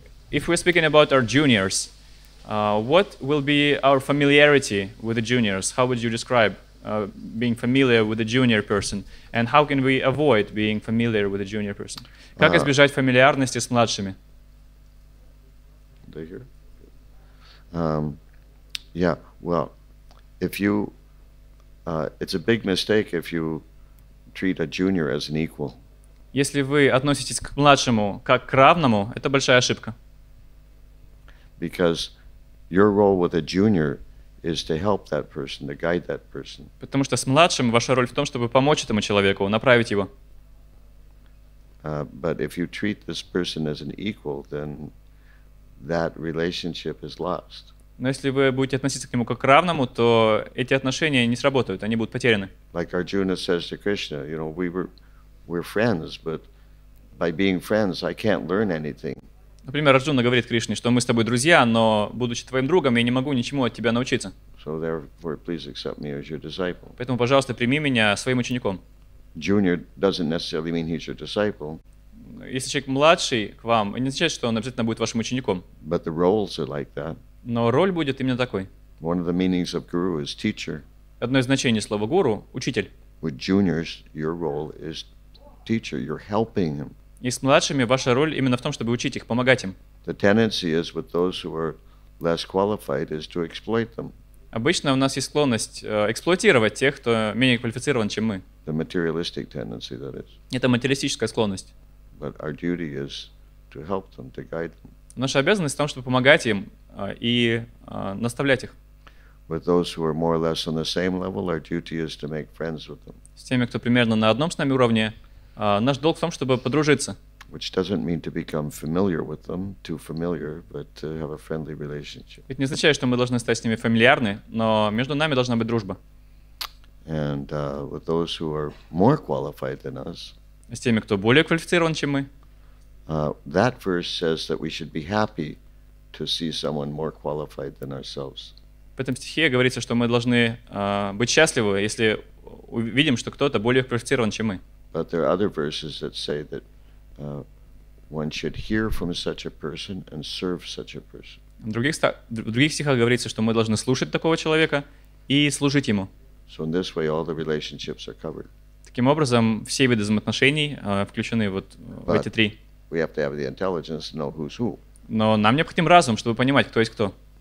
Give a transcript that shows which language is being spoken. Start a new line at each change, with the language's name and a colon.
English: If we're speaking about our juniors, what will be our familiarity with the juniors? How would you describe being familiar with a junior person? And how can we avoid being familiar with a junior person?
Russian: Как избежать фамильярности с младшими?
English: They hear? Yeah, well, if you, it's a big mistake if you treat a junior as an equal.
Russian: Если вы относитесь к младшему как к равному, это большая ошибка.
English: Because your role with a junior is to help that person, to guide that person.
Russian: Потому что с младшим ваша роль в том, чтобы помочь этому человеку, направить его.
English: But if you treat this person as an equal, then that relationship is lost.
Russian: Но если вы будете относиться к нему как к равному, то эти отношения не сработают, они будут потеряны.
English: Like Arjuna says to Krishna, you know, we're friends, but by being friends, I can't learn anything.
Russian: Например, Арджуна говорит Кришне, что мы с тобой друзья, но будучи твоим другом, я не могу ничему от тебя научиться.
English: So therefore, please accept me as your disciple.
Russian: Поэтому, пожалуйста, прими меня своим учеником.
English: Junior doesn't necessarily mean he's your disciple.
Russian: Если человек младший к вам, не означает, что он обязательно будет вашим учеником.
English: But the roles are like that.
Russian: Но роль будет именно такой.
English: One of the meanings of guru is teacher.
Russian: Одно из значений слова гуру — учитель.
English: With juniors, your role is teacher. You're helping him.
Russian: И с младшими ваша роль именно в том, чтобы учить их, помогать им.
English: The tendency is with those who are less qualified is to exploit them.
Russian: Обычно у нас есть склонность эксплуатировать тех, кто менее квалифицирован, чем мы.
English: The materialistic tendency, that is.
Russian: Это материалистическая склонность.
English: But our duty is to help them, to guide them.
Russian: Наша обязанность в том, чтобы помогать им и наставлять их.
English: with those who are more or less on the same level, our duty is to make friends with them.
Russian: С теми, кто примерно на одном с нами уровне, наш долг в том, чтобы подружиться.
English: Which doesn't mean to become familiar with them, too familiar, but to have a friendly relationship.
Russian: Это не означает, что мы должны стать с ними фамильярны, но между нами должна быть дружба.
English: And with those who are more qualified than us.
Russian: С теми, кто более квалифицирован, чем мы.
English: That verse says that we should be happy to see someone more qualified than ourselves.
Russian: В этом стихе говорится, что мы должны быть счастливы, если увидим, что кто-то более квалифицирован, чем мы.
English: But there are other verses that say that one should hear from such a person and serve such a person.
Russian: В других стихах говорится, что мы должны слушать такого человека и служить ему.
English: So in this way all the relationships are covered.
Russian: Таким образом, все виды взаимоотношений включены вот в эти три.
English: We have to have the intelligence to know who's who.
Russian: Но нам необходим разум, чтобы понимать, кто есть кто.